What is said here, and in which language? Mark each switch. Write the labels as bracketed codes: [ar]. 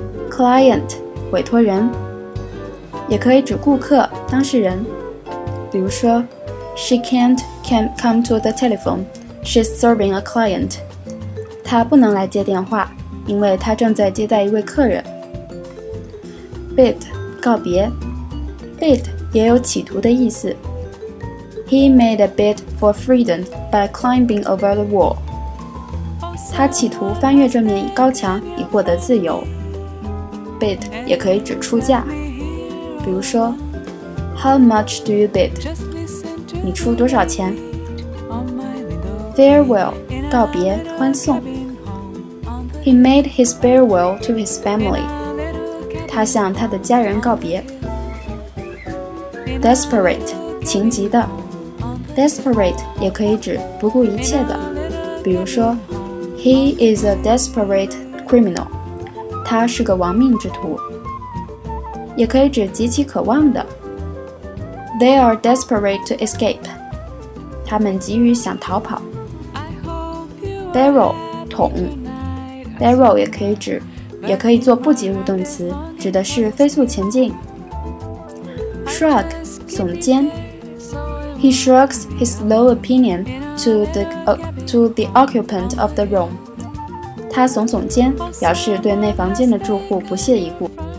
[zh] Client 委托人也可以指顾客当事人，比如说 [en] She can't come to the telephone. She's serving a client. [zh] 她不能来接电话，因为她正在接待一位客人。 Bid 告别。 Bid 也有企图的意思。 [en] He made a bid for freedom by climbing over the wall. [zh] 他企图翻越这面高墙以获得自由。 Bid 也可以指出价。比如说 [en] How much do you bid? [zh] 你出多少钱？ Farewell 告别欢送。 [en] He made his farewell to his family. [zh] 他向他的家人告别。 Desperate 情急的。 Desperate 也可以指不顾一切的，比如说 [en] He is a desperate criminal. [zh] 他是个亡命之徒。也可以指极其渴望的， [en] They are desperate to escape. [zh] 他们急于想逃跑。Barrel, 桶。 Barrel 也可以指，也可以做不及物动词，指的是飞速前进。 Shrug, 耸肩。 [en] He shrugs his low opinion to the occupant of the room. [zh] 他耸耸肩，表示对那房间的住户不屑一顾。